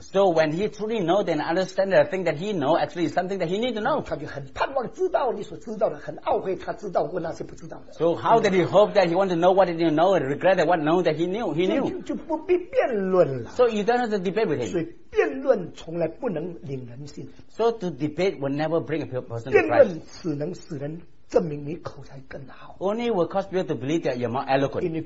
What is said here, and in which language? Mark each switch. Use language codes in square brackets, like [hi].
[en] So when he truly knows and understands the thing that he knows, actually is something that he needs to know. [zh] 他就很盼望知道你所知道的, 很懊悔他知道过那些不知道的。 [en] So how did he hope that he wants to know what he didn't know and regret that what know that he knew? He knew. [zh] 就不必辩论了。 [en] So you don't have to debate with him. [zh] 辩论从来不能领人心 [en] So to debate will never bring a person to Christ [zh] 辩论只能使人证明你口才更好 [en] Only will cause people to believe that you're more eloquent